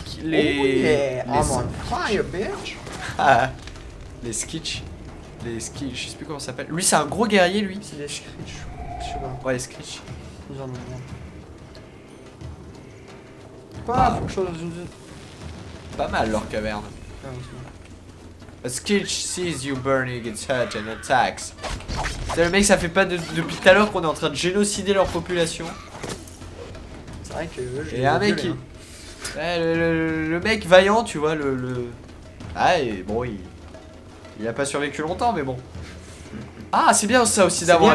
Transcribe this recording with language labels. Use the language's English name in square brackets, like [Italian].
[English] Oh yeah, I'm on fire, bitch. [French] Les skitch, je sais plus comment ça s'appelle. Lui, c'est un gros guerrier, lui. C'est les skitch, je sais pas. Ouais, les skitch. Ils en ont rien. Quoi, faut que je sois dans une zone. Pas mal, leur caverne. [English] A skitch sees you burning its hut and attacks. [French] Le mec, ça fait pas depuis tout à l'heure qu'on est en train de génocider leur population. C'est vrai que j'ai. Et un mec qui. Hein. Ouais, le mec vaillant, tu vois, le. Ah, et bon, il a pas survécu longtemps, mais bon. Ah, c'est bien ça aussi d'avoir